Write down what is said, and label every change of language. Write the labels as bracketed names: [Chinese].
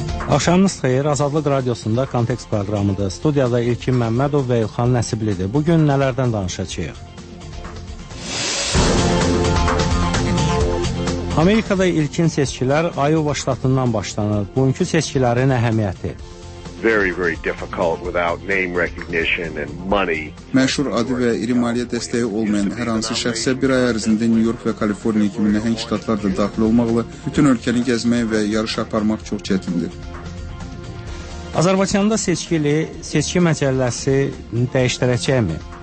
[Azerbaijani] Axşamınız xeyir, Azadlıq Radiosunda Kontekst proqramıdır. Studiyada İlkin Məmmədov və İlxan Nəsiblidir. Bugün nələrdən danışacağıq? Amerikada ilkin seçkilər Iowa ştatından başlanır. Bugünkü seçkilərin əhəmiyyəti. [English] Very difficult without name recognition and money. [Azerbaijani] Məşhur adı və iri maliyyə dəstəyi olmayan hər hansı şəxsə bir ay ərzində New York və Kaliforniya kimi nəhəng ştatlarda daxil olmaqla bütün ölkəni gəzmək və yarış aparmaq çox çətindir. Azərbaycanda seçkili seçki məcəlləsi dəyişdirəcəkmi?